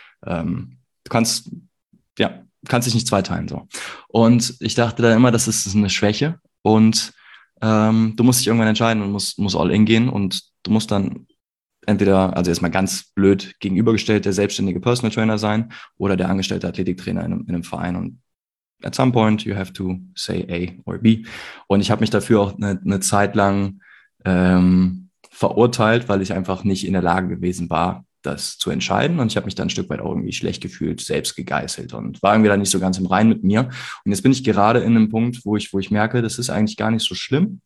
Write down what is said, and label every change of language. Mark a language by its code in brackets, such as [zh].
[de] Du kannst, ja, kannst dich nicht zweiteilen, so. Und ich dachte da immer, das ist eine Schwäche und du musst dich irgendwann entscheiden und musst all in gehen und du musst dann entweder, also erstmal ganz blöd gegenübergestellt, der selbstständige Personal Trainer sein oder der angestellte Athletiktrainer in einem Verein. [en] Und at some point you have to say A or B. [de] Und ich habe mich dafür auch eine Zeit lang verurteilt, weil ich einfach nicht in der Lage gewesen war, das zu entscheiden. Und ich habe mich dann ein Stück weit auch irgendwie schlecht gefühlt, selbst gegeißelt und war irgendwie da nicht so ganz im Reinen mit mir. Und jetzt bin ich gerade in einem Punkt, wo ich merke, das ist eigentlich gar nicht so schlimm.